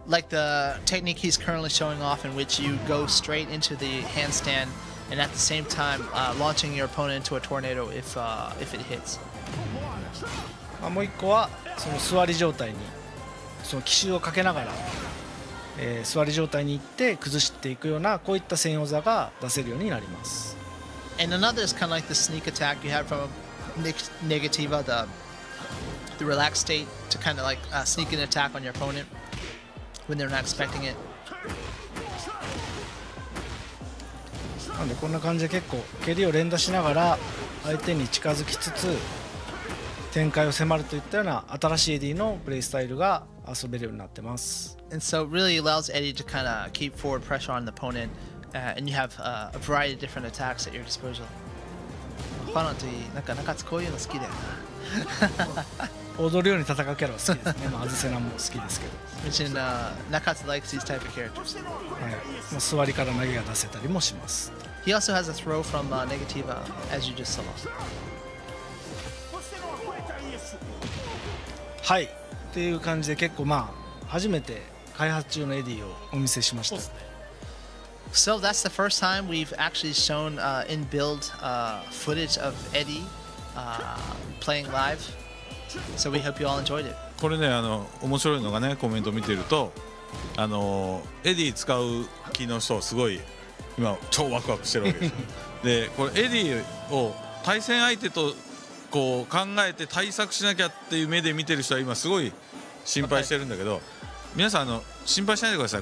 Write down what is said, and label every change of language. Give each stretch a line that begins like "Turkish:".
English: Like the technique he's currently showing off in which you go straight into the handstand and at the same time launching your opponent into a tornado if it hits.
Japanese: まあ、もう一個はその座り状態にその奇襲をかけながら座り状態に行って崩していくようなこういった専用技が出せるようになります。
English: And another is kind of like the sneak attack you have from negativa, the relaxed state to kind of like sneak an attack on your opponent when they're not expecting it.
Japanese: なんでこんな感じで結構蹴りを連打しながら相手に近づきつつ展開を迫るといったような新しいエディのプレイスタイルが遊べるようになってます。
English: And so it really allows Eddy to kind of keep forward pressure on the opponent, and you have a variety of different attacks at your disposal.
Japanese: ファノティ、なんか中津こういうの好きだよな。踊るように戦うキャラは好きですね。まあ、アズセナも好きですけど。
English: Mention, Nakats likes these type of characters.
Japanese: はい。まあ、座りから投げが出せたりもします。
English: He also has a throw from Negativa, as you just saw.
Japanese: はい、っていう感じで結構まあ初めて開発中のエディをお見せしました。そうですね。
English: So that's the first time we've actually shown in build footage of Eddy playing live. So we hope you all enjoyed it.
Japanese: これね、面白いのがね、コメント見てるとあのエディ使う気の人すごい今超ワクワクしてるわけですよでこれエディを対戦相手とこう考えて対策しなきゃっていう目で見てる人は今すごい心配してるんだけど、皆さんあの心配しないでください。